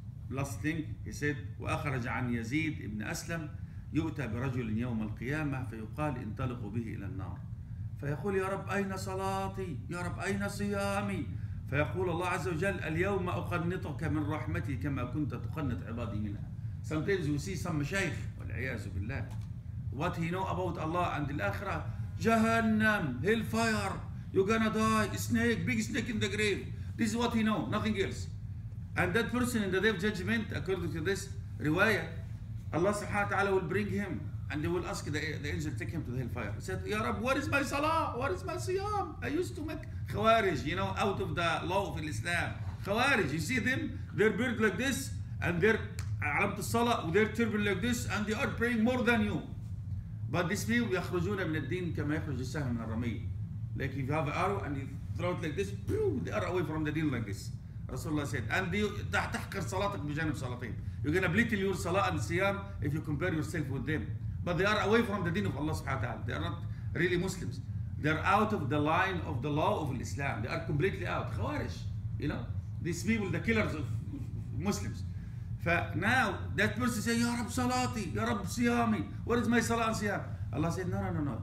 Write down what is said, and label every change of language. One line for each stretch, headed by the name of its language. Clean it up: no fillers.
English: Last thing he said,
Arabic: وأخرج عن يزيد ابن أسلم يؤتى برجل يوم القيامة فيقال انطلقوا به إلى النار. فيقول يا رب أين صلاتي؟ يا رب أين صيامي؟ فيقول الله عز وجل اليوم أقنطك من رحمتي كما كنت تقنط عبادي منها.
English: Sometimes you see some
Arabic: مشايخ والعياذ بالله.
English: What he know about Allah and the
Arabic: آخرة؟ جهنم,
English: hellfire, you're gonna die, snake, big snake in the grave. This is what he know, nothing else. And that person in the day of judgment, according to this رواية, Allah سبحانه وتعالى will bring him. And they will ask the angel take him to the hellfire. He said,
Arabic: Ya Rab,
English: what is my salah? What is my siyam? I used to make khawarij, you know, out of the law of Islam. Khawarij, you see them? They're built like this, and they're
Arabic: alamt al-salah,
English: they're turban like this, and they are praying more than you. But these people,
Arabic: yakhrujuna min al-deen kama yakhruj al-sahm min al-ramay.
English: Like if you have an arrow and you throw it like this, pew, they are away from the deen like this. Rasulullah said, and
Arabic: تحقر صلاتك بجانب صلاتين.
English: You're gonna blittle your salah and siyam if you compare yourself with them. But they are away from the deen of Allah subhanahu wa ta'ala. They are not really Muslims. They are out of the line of the law of Islam. They are completely out. Khawarij, you know? These people, the killers of Muslims. Now, that person say,
Arabic: Ya Rab Salati, Ya Rab Siyami.
English: What is my salah and siyam? Allah said, no.